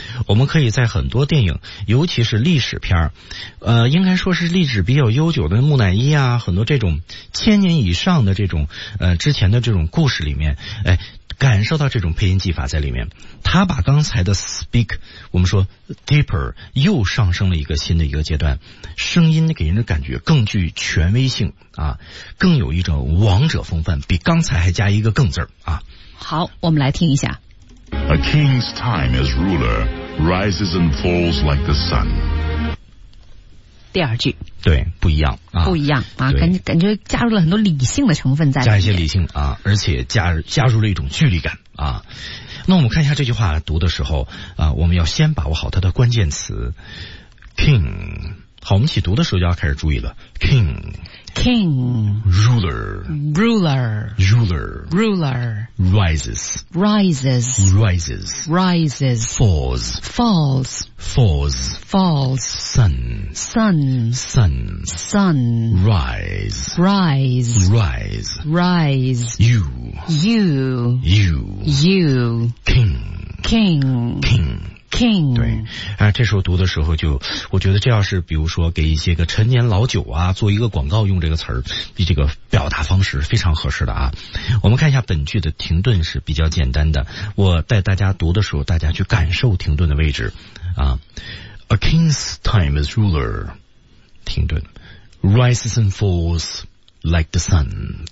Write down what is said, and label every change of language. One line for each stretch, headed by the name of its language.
Chinese: 我们可以在很多电影，尤其是历史片，应该说是历史比较悠久的木乃伊啊，很多这种千年以上的这种之前的这种故事里面，哎，感受到这种配音技法在里面。他把刚才的 speak， 我们说 deeper， 又上升了一个新的一个阶段，声音给人的感觉更具权威性啊，更有一种王者风范，比刚才还加一个更字啊。好，我们来听一下。
English: A king's time as ruler rises and falls like the sun。
Chinese: 第二句，对，不一样啊，不一样啊，感觉加入了很多理性的成分在里面，加一些理性啊，而且加入了一种距离感啊。那我们看一下这句话读的时候啊，我们要先把握好它的关键词 king。好，我们起读的时候就要开始注意了 king。
English: King, ruler, ruler, ruler, ruler, rises, rises, rises, rises, falls, falls, falls, falls, sun, sun, sun, sun, rise, rise, rise, rise, you, you, you, you, king, king, king. King，
Chinese: 对啊，这时候读的时候就，我觉得这要是比如说给一些个陈年老酒啊做一个广告用这个词儿，这个表达方式非常合适的啊。我们看一下本句的停顿是比较简单的，我带大家读的时候，大家去感受停顿的位置啊。
English: A king's time as ruler，
Chinese: 停顿
English: ，rises and falls like the sun，